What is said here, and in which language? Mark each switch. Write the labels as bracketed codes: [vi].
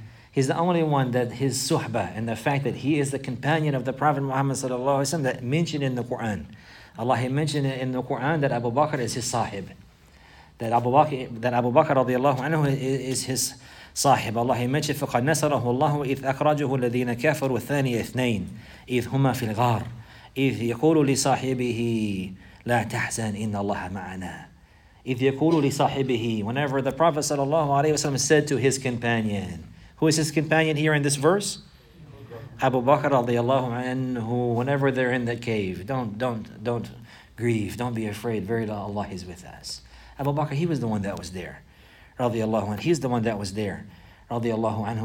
[en] He's the only one that his suhba and the fact that he is the companion of the Prophet Muhammad sallallahu alaihi wasallam that mentioned in the Quran. Allah, he mentioned it in the Quran that Abu Bakr is his sahib. That Abu Bakr radiallahu anhu is his sahib. Allah, he mentioned, [ar] فَقَدْ نَسَرَهُ اللَّهُ إِذْ أَخْرَجُهُ الَّذِينَ كَفَرُوا الثَّانِيَ اثْنَيْنِ إِذْ هُمَا فِي الْغَارِ إِذْ يَقُولُ لِصَاحِبِهِ لَا تَحْزَنْ إِنَّ اللَّهَ مَعَنَا إِذْ يَقُولُ لِصَاحِبِهِ. [en] Whenever the Prophet sallallahu alayhi wa sallam said to his companion, who is his companion here in this verse? Abu Bakr radiallahu anhu, whenever they're in that cave, don't grieve, don't be afraid, verily Allah is with us. Abu Bakr, he was the one that was there, radiallahu anhu. He's the one that was there, radiallahu anhu.